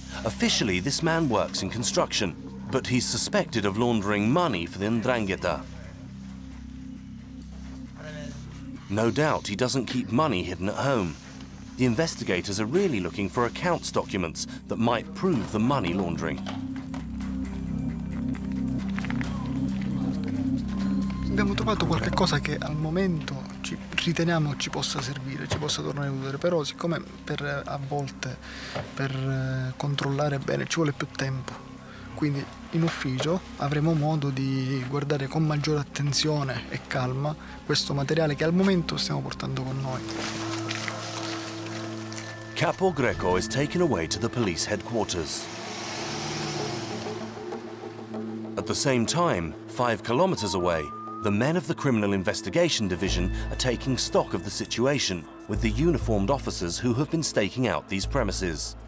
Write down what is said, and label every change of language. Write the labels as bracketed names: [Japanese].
[English] Officially, this man works in construction, but he's suspected of laundering money for the Ndrangheta. No doubt he doesn't keep money hidden at home. The investigators are really looking for accounts documents that might prove the money laundering. [Italian] Abbiamo trovato qualche cosa che al momento ci riteniamo ci possa servire, ci possa tornare utile, però siccome per a volte per controllare bene ci vuole più tempo, quindi in ufficio avremo modo di guardare con maggiore attenzione e calma questo materiale che al momento stiamo portando con noi. [English] Capo Greco is taken away to the police headquarters. At the same time, 5 kilometers away, the men of the Criminal Investigation Division are taking stock of the situation with the uniformed officers who have been staking out these premises.